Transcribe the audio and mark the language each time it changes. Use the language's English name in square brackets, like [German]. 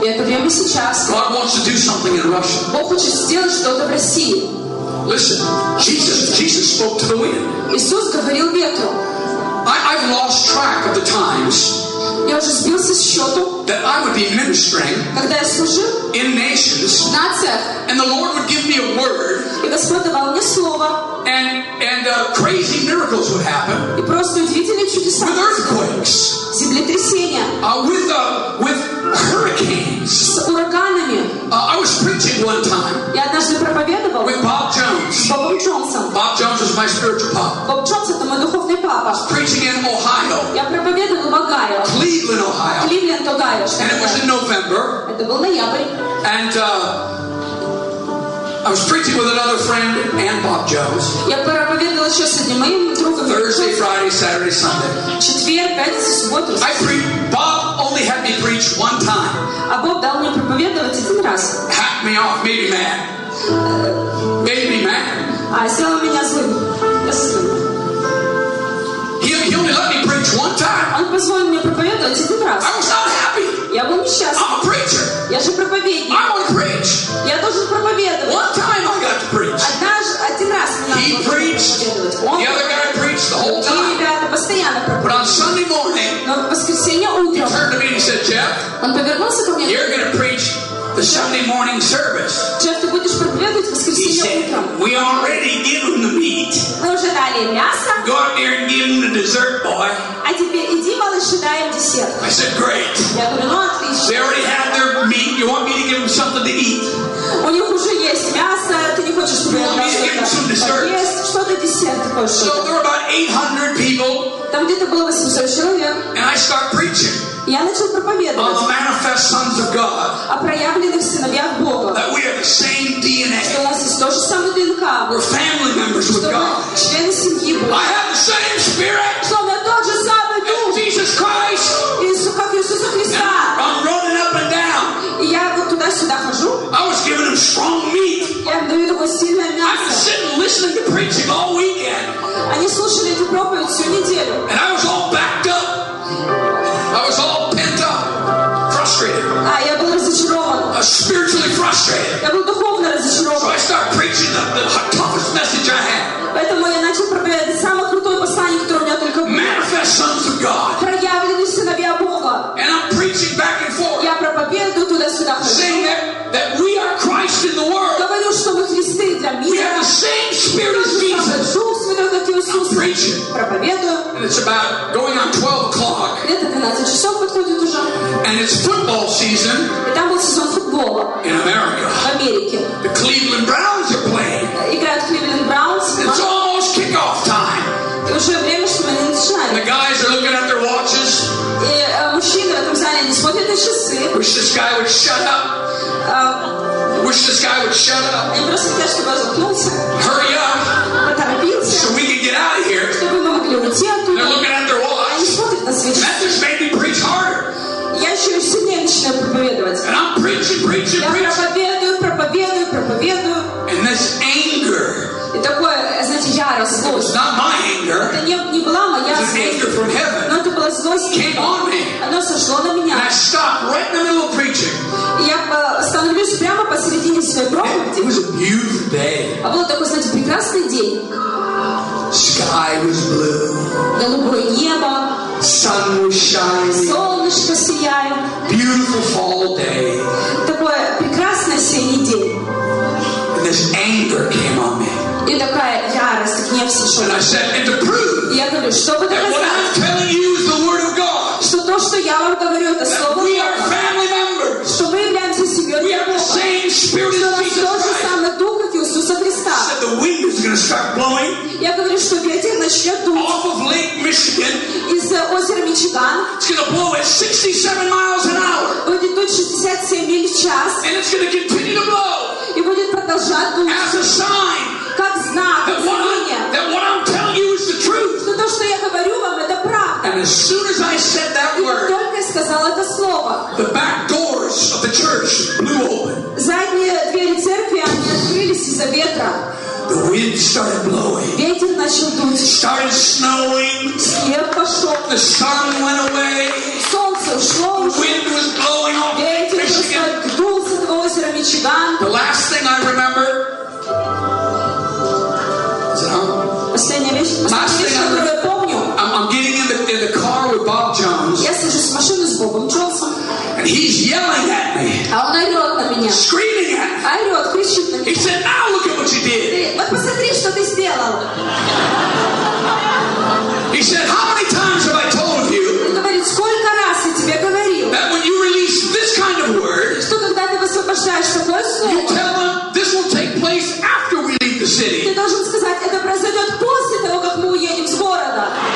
[English] God wants to do something in Russia. Listen, Jesus spoke to the wind. [Russian] Иисус говорил ветру. [English] I've lost track of the times. [Russian] Я уже сбился с счету. [English] That I would be ministering. [Russian] Когда я служу. [English] In nations. [Russian] В нациях. [English] And the Lord would give me a word. [Russian] И Господь давал мне слово. [English] And crazy miracles would happen. [Russian] И просто удивительные чудеса. [English] With earthquakes. [Russian] Землетрясения. [English] With hurricanes. [Russian] С ураганами. [English] I was preaching one time. [Russian] Я однажды проповедовал. [English] With Bob Jones. [Russian] Бобом Джонсом. [English] Bob Jones was my spiritual papa. [Russian] Боб Джонс это мой духовный папа. [English] I was preaching in Ohio. [Russian] Я проповедовал в Огайо. [English] Cleveland, Ohio. Cleveland, Ohio. And it was in November. [Russian] Это был ноябрь. [English] And I was preaching with another friend and Bob Jones. [Russian] Я проповедовал еще с одним моим другом. [English] Thursday, Friday, Saturday, Sunday. [Russian] Четверг, пятница, суббота. [English] I preached. Bob only had me preach one time. [Russian] А Боб дал мне проповедовать один раз. [English] Hacked me off, made me mad. Made me mad. [Russian] А сделал меня злым. [English] He only let me preach one time. [Russian] Он позволил мне проповедовать один раз. [English] I was not happy. [Russian] Я был несчастлив. [English] I'm a preacher. [Russian] Я же проповедник. [English] I want to preach. [Russian] Я должен проповедовать. [English] One time I got to preach. [Russian] Один раз мне надо было проповедовать. [English] The other guy preached the whole time. [Russian] Другие ребята постоянно проповедовали. [English] But on Sunday morning, [Russian] но в воскресенье утром, [English] he turned to me and said, Jeff, [Russian] он повернулся ко мне. [English] You're going to preach the Sunday morning service. [Russian] Jeff, ты будешь проповедовать в воскресенье утром. [English] He said, we already gave him the meat. [Russian] Мы уже дали им мясо. [English] Go out there and give him the dessert, boy. [Russian] А теперь иди, малыш, дай им десерт. [English] I said, great. [Russian] Я говорю, ну отлично. [English] They already had their meat. You want me to give them something to eat? [Russian] У них уже есть мясо. Ты не хочешь, чтобы я есть что-то десерт такое. [English] So there were about 800 people. [Russian] Там где-то было 800 человек. [English] And I start preaching. [Russian] Я начал проповедовать. [English] On the manifest sons of God. [Russian] О проявленных сыновьях Бога. [English] That we have the same DNA. [Russian] Что у нас есть то же самое ДНК. [English] We're family members with God. [Russian] Члены семьи Бога. [English] I have the same spirit. [Russian] Что у меня тот же самый дух. [English] Jesus Christ. [Russian] Иисус, как Иисуса Христа. [English] I'm running up and down. [Russian] И я вот туда-сюда хожу. [English] I was giving him strong meat. [Russian] Я такое сильное мясо. [English] I've been sitting listening to preaching all weekend. [Russian] Они слушали эту проповедь всю неделю. [English] And I was all backed up. I was all pent up, frustrated. [Russian] А я был разочарован. [English] I was spiritually frustrated. [Russian] Я был духовно разочарован. [English] So I start preaching the toughest message I had. [Russian] Поэтому я начал проповедовать самое крутое послание, которое у меня только было. [English] Manifest sons of God. [Russian] Проявленные сыновья Бога. [English] And I'm preaching back and forth. [Russian] Я проповедую туда-сюда. [English] Saying that we are Christ in the world. [Russian] Говорю, что мы Христы для мира. [English] We have the same spirit as Jesus. And it's about going on 12 o'clock. [Russian] Где-то 12 часов подходит уже. [English] And it's football season. [Russian] И там был сезон футбола. [English] In America. [Russian] В Америке. [English] The Cleveland Browns are playing. [Russian] Играют Cleveland Browns. [English] It's almost kickoff time. [Russian] И уже время, чтобы они начинали. [English] And the guys are looking at their watches. [Russian] И мужчины в этом зале не смотрят на часы. [English] Wish this guy would shut up. Wish this guy would shut up. [Russian] Они просто хотят, чтобы он заткнулся. [English] Hurry up. So we can get out of here. They're looking at their watch. Message made me preach harder. And I'm preaching. And this anger. It's not my anger. It's an anger from heaven. It came on me. And I stopped right in the middle of preaching. [Russian] Остановлюсь прямо посередине своей проповеди. [English] It was a beautiful day. [Russian] А был такой, знаете, прекрасный день. [English] Sky was blue. [Russian] Голубое небо. [English] Sun was shining. [Russian] Солнышко сияет. [English] Beautiful fall day. [Russian] Такой прекрасный осенний день. [English] And this anger came on me. [Russian] И такая ярость, гнев сошел. [English] And I said, and to prove. [Russian] И я говорю, чтобы доказать. [English] That what I'm telling you is the word of God. [Russian] Что то, что я вам говорю, это слово Бога. [English] We are family members. [Russian] Что мы являемся семьей. [English] We have the same Spirit of Jesus Christ. Said the wind is going to start blowing. [Russian] Я говорю, что ветер начнет дуть. [English] Off of Lake Michigan. [Russian] Из озера Мичиган. [English] It's going to blow at 67 miles an hour. [Russian] Будет дуть 67 миль в час. [English] And it's going to continue to blow. [Russian] И будет продолжать дуть. [English] As a sign. [Russian] Как знак. [English] That what I'm telling you is the truth. [Russian] Что то, что я говорю вам, это правда. [English] And as soon as I said that word. [Russian] И только я сказал это слово. [English] The back doors of the church blew open. [Russian] Задние двери церкви они открылись из-за ветра. [English] The wind started blowing. [Russian] Ветер начал дуть. [English] Started snowing. [Russian] Снег пошел. [English] The sun went away. [Russian] Солнце ушло. [English] The wind was blowing off Michigan. [Russian] Ветер просто дул с этого озера Мичиган. [English] The last thing I remember. I'm getting in the car with Bob Jones. [Russian] Я сижу в машине с Бобом Джонсом. [English] And he's yelling at me. [Russian] А он орет на меня. [English] Screaming at me. [Russian] Орет, кричит на меня. [English] He said, "Now look at what you did." [Russian] Вот посмотри, что ты сделал. [English] He said, "How many times have I told you?" [Russian] Он говорит, сколько раз я тебе говорил? [English] That when you release this kind of word, [Russian] что когда ты высвобождаешь такое слово, [English] you tell them this will take place after we leave the city. [Russian] Ты должен сказать, это произойдет после того, как мы уедем с города.